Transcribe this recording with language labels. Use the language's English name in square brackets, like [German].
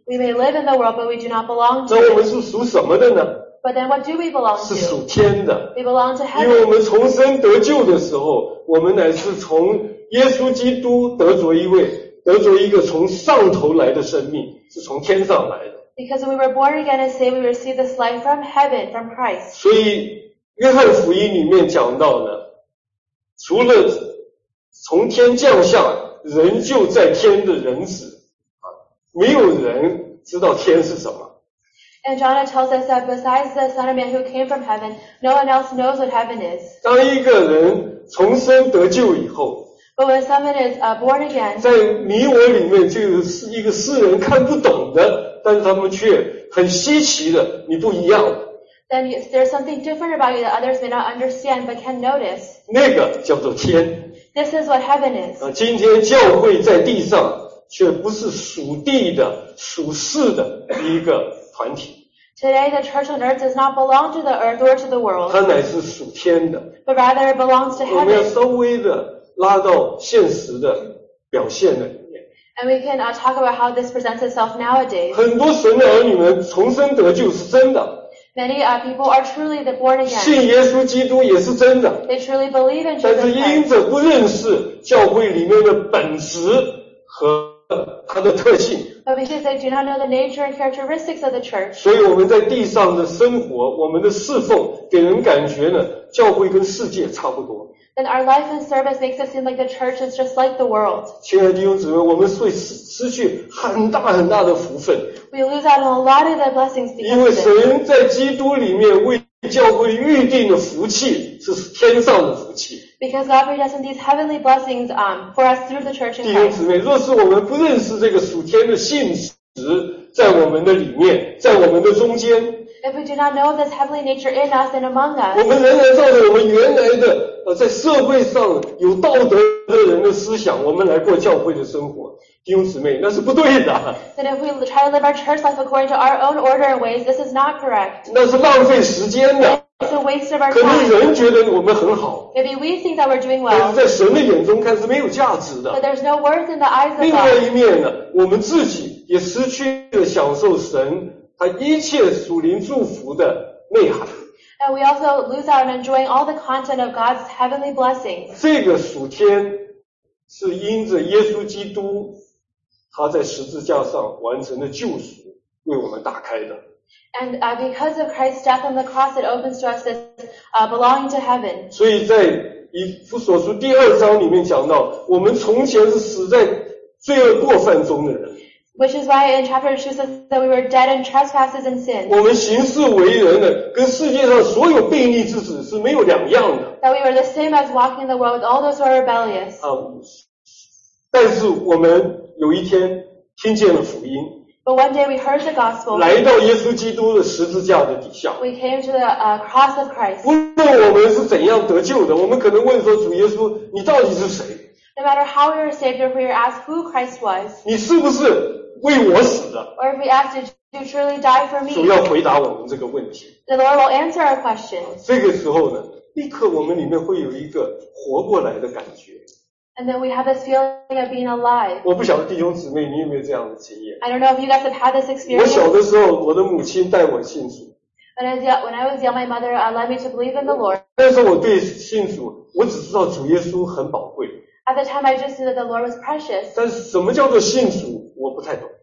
[English] We may live in the world, but we do not belong to it. [Chinese] 那我们是属什么的呢？ [English] But then what do we belong to? [Chinese] 是属天的。 [English] We belong to heaven. [Chinese] 因为我们重生得救的时候，我们乃是从耶稣基督得着一位，得着一个从上头来的生命，是从天上来的。 [English] Because when we were born again and saved, we received this life from heaven, from Christ. [Chinese] 所以约翰福音里面讲到呢，除了从天降下人就在天的人子，没有人知道天是什么。 [English] And John tells us that besides the Son of Man who came from heaven, no one else knows what heaven is. [Chinese] 当一个人重生得救以后， [English] But when someone is born again, [Chinese] 在你我里面就是一个世人看不懂的，但是他们却很稀奇的，你不一样。 [English] Then there's something different about you that others may not understand but can notice. [Chinese] 那个叫做天。 [English] This is what heaven is. [Chinese] 今天教会在地上却不是属地的、属世的一个团体。 [English] Today the church on earth does not belong to the earth or to the world. [Chinese] 它乃是属天的。 [English] But rather it belongs to heaven. [Chinese] 我们要稍微的拉到现实的表现的。 [English] And we can talk about how this presents itself nowadays. [Chinese] 很多神的儿女们重生得救是真的。 [English] Many people are truly the born again. [Chinese] 信耶稣基督也是真的。 [English] They truly believe in Jesus. [Chinese] 但是因着不认识教会里面的本质和它的特性。 [English] But because they do not know the nature and characteristics of the church. [Chinese] 所以我们在地上的生活，我们的侍奉，给人感觉呢，教会跟世界差不多。 [English] And our life and service makes it seem like the church is just like the world. [Chinese] 亲爱的弟兄姊妹，我们会失去很大很大的福分。 [English] We lose out on a lot of the blessings because of this. [Chinese] 因为神在基督里面为教会预定的福气是天上的福气。 [English] Because God brings us in these heavenly blessings for us through the church in Christ. [Chinese] 弟兄姊妹，若是我们不认识这个属天的信实，在我们的里面，在我们的中间。 [English] If we do not know this heavenly nature in us and among us, [Chinese] 我们仍然照着我们原来的在社会上有道德的人的思想，我们来过教会的生活，弟兄姊妹，那是不对的。 [English] Then if we try to live our church life according to our own order and ways, this is not correct. [Chinese] 那是浪费时间的。 [English] It's a waste of our time. [Chinese] 可能人觉得我们很好。 [English] Maybe we think that we're doing well. [Chinese] 但是在神的眼中看是没有价值的。 [English] But there's no worth in the eyes of God. [Chinese] 另外一面呢，我们自己也失去了享受神他一切属灵祝福的内涵。 [English] And we also lose out on enjoying all the content of God's heavenly blessings. [Chinese] 这个属天是因着耶稣基督他在十字架上完成的救赎为我们打开的。 [English] And because of Christ's death on the cross, it opens to us this belonging to heaven. [Chinese] 所以在以弗所书第二章里面讲到，我们从前是死在罪恶过犯中的人。 [English] Which is why in chapter 2 says that we were dead in trespasses and sins. [Chinese] 我们行事为人的跟世界上所有悖逆之子是没有两样的。 [English] That we were the same as walking in the world with all those who are rebellious. [Chinese] 但是我们有一天听见了福音。 [English] But one day we heard the gospel. [Chinese] 来到耶稣基督的十字架的底下。 [English] We came to the cross of Christ. [Chinese] 无论我们是怎样得救的，我们可能问说主耶稣，你到底是谁？ [English] No matter how we were saved or if we were asked who Christ was, [Chinese] 你是不是为我死的？ [English] Or if we asked, did you truly die for me? [Chinese] 主要回答我们这个问题。 [English] The Lord will answer our question. [Chinese] 这个时候呢，立刻我们里面会有一个活过来的感觉。 [English] And then we have this feeling of being alive. [Chinese] 我不晓得弟兄姊妹你有没有这样的经验。 [English] I don't know if you guys have had this experience. [Chinese] 我小的时候我的母亲带我信主。 [English] But when I was young, my mother led me to believe in the Lord. [Chinese] 但是我对信主，我只知道主耶稣很宝贵。 [English] At the time, I just knew that the Lord was precious. [Chinese] 但是什么叫做信主，我不太懂。